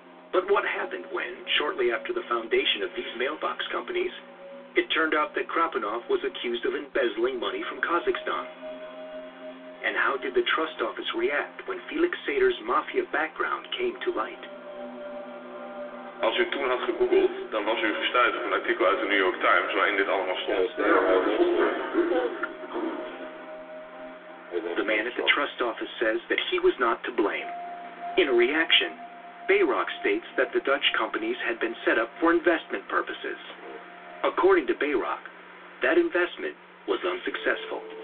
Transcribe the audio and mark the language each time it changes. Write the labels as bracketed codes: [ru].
[en] But what happened when, shortly after the foundation of these mailbox companies, it turned out that Kropinoff was accused of embezzling money from Kazakhstan? And how did the trust office react when Felix Sater's mafia background came to light? [nl] Als u toen had gegoogeld, dan was u gestuurd op een artikel uit de New York Times waarin dit allemaal stond. [en] The man at the trust office says that he was not to blame. In a reaction, Bayrock states that the Dutch companies had been set up for investment purposes. According to Bayrock, that investment was unsuccessful.